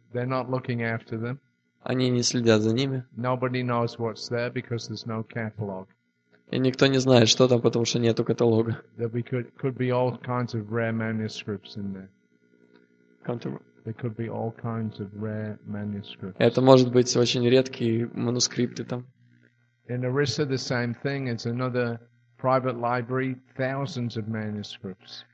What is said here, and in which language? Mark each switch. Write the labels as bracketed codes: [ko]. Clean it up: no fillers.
[en] they're not looking after them. [ru] Они не следят за ними. [en] Nobody knows what's there because there's no catalog. [ru] И никто не знает, что там, потому что нету каталога. [en] There could be all kinds of rare manuscripts in there. There could be all kinds of rare manuscripts. [ru] Это может быть очень редкие манускрипты там. [en] In Orissa, the same thing. It's another private library, thousands of manuscripts.